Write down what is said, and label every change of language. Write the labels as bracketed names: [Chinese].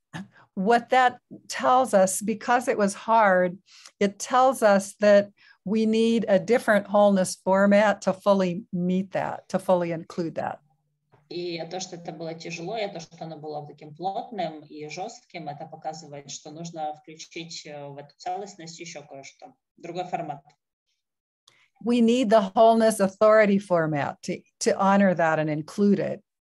[English] And what that tells us, because it was hard, it tells us that we need a different wholeness format to fully meet that, to fully include that. [Russian] И то, что это было тяжело, и то, что оно было таким плотным и жестким, это показывает, что нужно включить в эту целостность еще кое-что. Другой формат. [English] We need the wholeness authority format to honor that and include it.